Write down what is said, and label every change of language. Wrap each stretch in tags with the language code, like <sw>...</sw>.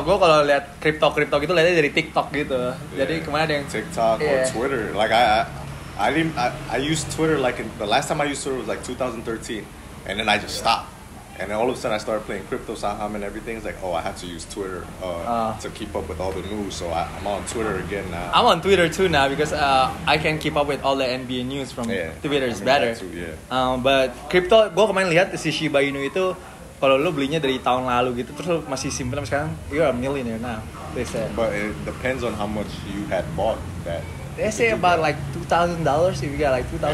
<id>Gue kalau lihat crypto gitu, lihatnya dari TikTok gitu.</id> <en>Yeah.</en> <id>Jadi kemana ada yang</id> <en>TikTok or Twitter? Like I used Twitter like the last time I used Twitter was like 2013, and then I just stopped. And then all of a sudden I started playing crypto saham and everything. It's like, oh, I have to use Twitter to keep up with all the news. So I'm on Twitter again now. I'm on Twitter too now because I can keep up with all the NBA news from Twitter. It's better. But crypto,</en> <id>gue kemarin lihat si Shiba Inu itu. Kalau lo belinya dari tahun lalu gitu, terus lo masih simpen sampai sekarang,</id> <en>you're a millionaire now, they say. But it depends on how much you had bought that. They say about like $2,000, if you got like $2,000.</en>